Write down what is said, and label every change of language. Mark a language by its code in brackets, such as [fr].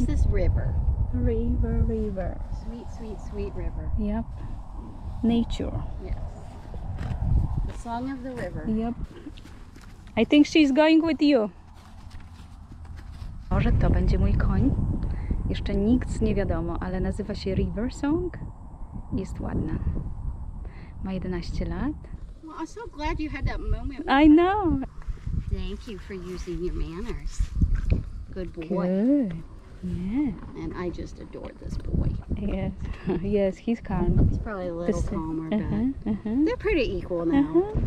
[en] River. River, river. Sweet, sweet, sweet river. Yep. Nature. Yes. The song of the river. Yep. I think she's going with you. [pl] Może to będzie mój koń. Jeszcze nic nie wiadomo, ale nazywa się River Song. Jest ładna. Ma 11 lat. [en] Well, I'm so glad you had that moment. I know. Thank you for using your manners. Good boy. Good. Yeah. And I just adore this boy. Yes, he's calm. He's probably a little calmer, but they're pretty equal now.